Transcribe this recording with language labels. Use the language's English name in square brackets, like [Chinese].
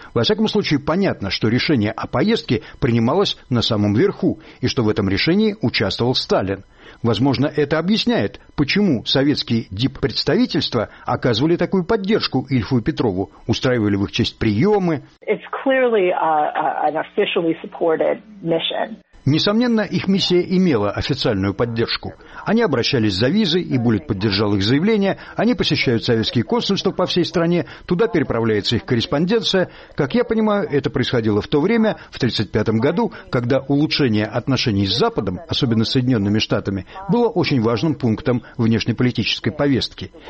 [Russian] Во всяком случае, понятно, что решение о поездке принималось на самом верху, и что в этом решении участвовал Сталин. Возможно, это объясняет, почему советские диппредставительства оказывали такую поддержку Ильфу и Петрову, устраивали в их честь приемы. [English] It's clearly an officially supported mission. [Russian] Несомненно, их миссия имела официальную поддержку. Они обращались за визой, и Буллит поддержал их заявление, они посещают советские консульства по всей стране, туда переправляется их корреспонденция. Как я понимаю, это происходило в то время, в 1935 году, когда улучшение отношений с Западом, особенно с Соединенными Штатами, было очень важным пунктом внешнеполитической повестки.